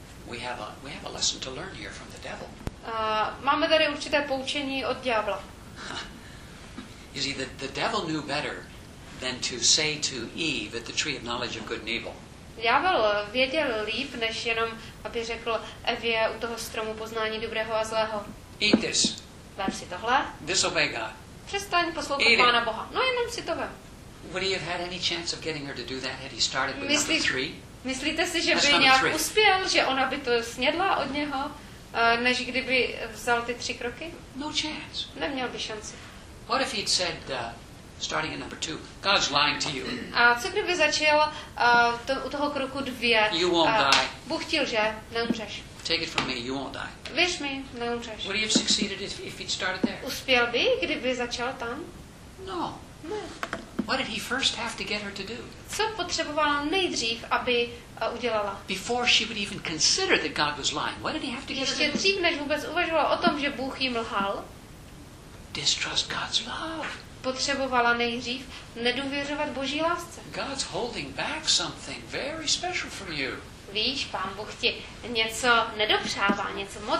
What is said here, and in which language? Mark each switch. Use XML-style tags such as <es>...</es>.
<en>We have a lesson to learn here from the devil.</en> <cs>Máme tady určité poučení od ďábla.</cs> <en>You see, the devil knew better than to say to Eve at the tree of knowledge of good and evil.</en> <cs>Ďábel věděl líp, než jenom aby řekl Evě u toho stromu poznání dobrého a zlého.</cs> <en>Eat this.</en> <cs>Vem si tohle.</cs> <en>Disobey God.</en> <cs>Přestaň poslouchat Pána Boha. No jenom si to vem.</cs> <en>Would he have had any chance of getting her to do that had he started with number three?</en> <cs>Myslíte si, že by nějak uspěl, že ona by to snědla od něho? Než kdyby vzal ty tři kroky?</cs> <en>No chance.</en> <cs>Neměl by šanci.</cs> <en>What if he'd said, starting at number two, God's lying to you.</en> <cs>A co kdyby začal u toho kroku dvě?</cs> <en>You won't die.</en> <cs>Bůh chtěl, že neumřeš.</cs> <en>Take it from me, you won't die.</en> <cs>Věř mi, neumřeš.</cs> <en>Would he have succeeded if he'd started there?</en> <cs>Uspěl by, kdyby začal tam?</cs> <en>No.</en> <cs>Ne.</cs> <en>What did he first have to get her to do?</en> <cs>Co potřeboval nejdřív, aby udělala?</cs> <en>Before she would even consider that God was lying, what did he have to get her to do?</en> <cs>Ještě dřív, než vůbec uvažovala o tom, že Bůh jí mlhal.</cs> <en>Distrust God's love.</en> <cs>Potřebovala nejdřív nedůvěřovat Boží lásce.</cs> <en>God's holding back something very special from you.</en> <cs>Víš, Pán Bůh ti něco nedopřává, něco moc</cs>